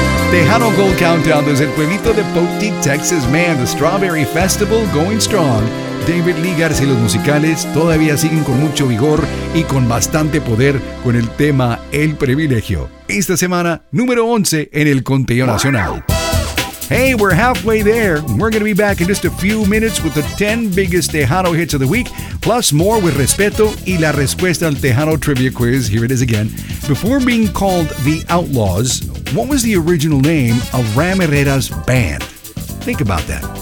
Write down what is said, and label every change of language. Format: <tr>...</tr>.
<en>Tejano Gold Countdown. There's El Pueblito de Poteet, Texas. Man, the Strawberry Festival going strong.</en> <es>David Lee García y los musicales todavía siguen con mucho vigor y con bastante poder con el tema El Privilegio. Esta semana, número 11 en el conteo nacional.</es> <en>Hey, we're halfway there. We're going to be back in just a few minutes with the 10 biggest Tejano hits of the week, plus more with Respeto y la respuesta al Tejano trivia quiz. Here it is again. Before being called the Outlaws, what was the original name of Ram Herrera's band? Think about that.</en>